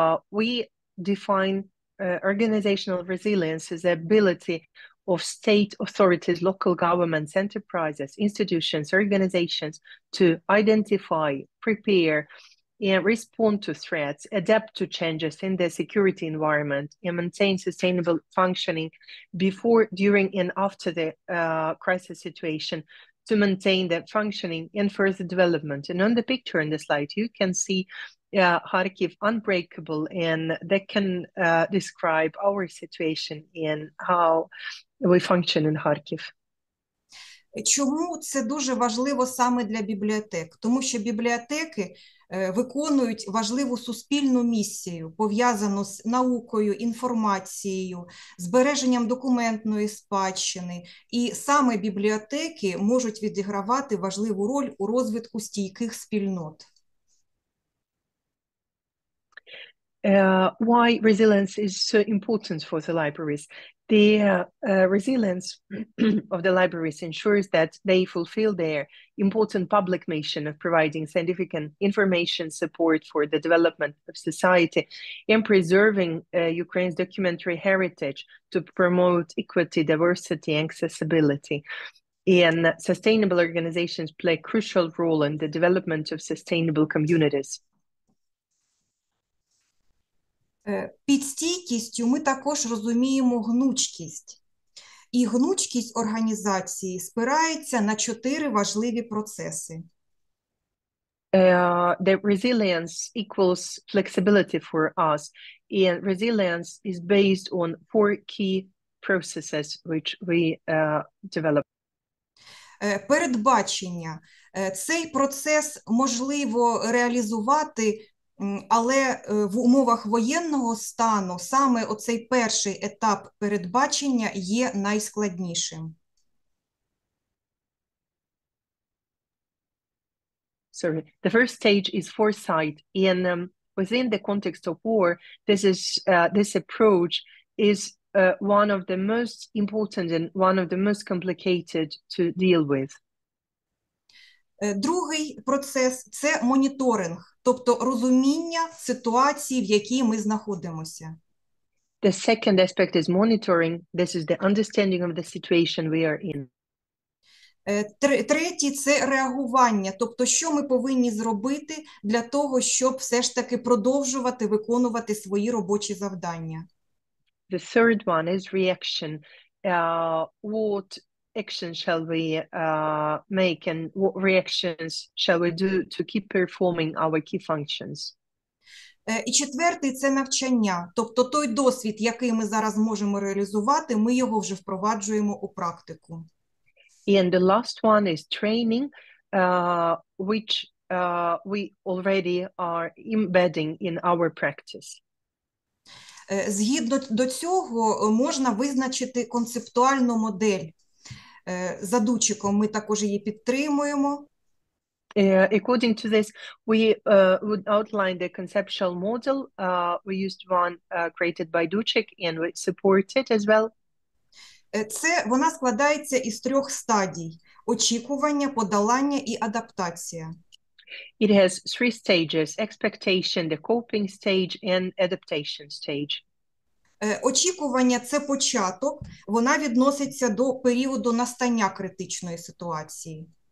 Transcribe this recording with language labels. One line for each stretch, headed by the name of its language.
English: We define organizational resilience as the ability of state authorities, local governments, enterprises, institutions, organizations to identify, prepare, and respond to threats, adapt to changes in the security environment, and maintain sustainable functioning before, during, and after the crisis situation, to maintain the functioning and further development. And on the picture in the slide, you can see Kharkiv unbreakable, and that can describe our situation and how we function in Kharkiv.
Ukrainian: Чому це дуже важливо саме для бібліотек? Тому що бібліотеки виконують важливу суспільну місію, пов'язану з наукою, інформацією, збереженням документної спадщини. І саме бібліотеки можуть відігравати важливу роль у розвитку стійких спільнот.
English: why resilience is so important for the libraries. The resilience of the libraries ensures that they fulfill their important public mission of providing scientific and information support for the development of society and preserving Ukraine's documentary heritage to promote equity, diversity, and accessibility. And sustainable organizations play a crucial role in the development of sustainable communities.
Ukrainian: Під стійкістю ми також розуміємо гнучкість. І гнучкість організації спирається на чотири важливі процеси.
English: The resilience equals flexibility for us, and resilience is based on four key processes which we develop.
Ukrainian: Передбачення. Цей процес можливо реалізувати, але в умовах воєнного стану саме оцей перший етап передбачення є найскладнішим.
English: Sorry, the first stage is foresight. And within the context of war, this approach is one of the most important and one of the most complicated to deal with.
Ukrainian: Другий процес – це моніторинг, тобто розуміння ситуації, в якій ми знаходимося.
English: The second aspect is monitoring. This is the understanding of the situation we are in.
Ukrainian: Третій – це реагування, тобто що ми повинні зробити для того, щоб все ж таки продовжувати виконувати свої робочі завдання.
English: The third one is reaction. What action shall we make and what reactions shall we do to keep performing our key functions?
Ukrainian: І четвертий – це навчання. Тобто той досвід, який ми зараз можемо реалізувати, ми його вже впроваджуємо у практику.
English: And the last one is training, which we already are embedding in our practice.
Ukrainian: Згідно до цього, можна визначити концептуальну модель. За дучиком ми також її підтримуємо.
English: According to this, we would outline the conceptual model. We used one created by Duchek, and we support it as well.
Ukrainian: Вона складається із трьох стадій – очікування, подолання і адаптація.
English: It has three stages – expectation, the coping stage, and adaptation stage.
Ukrainian: Очікування – це початок, вона відноситься до періоду настання критичної ситуації.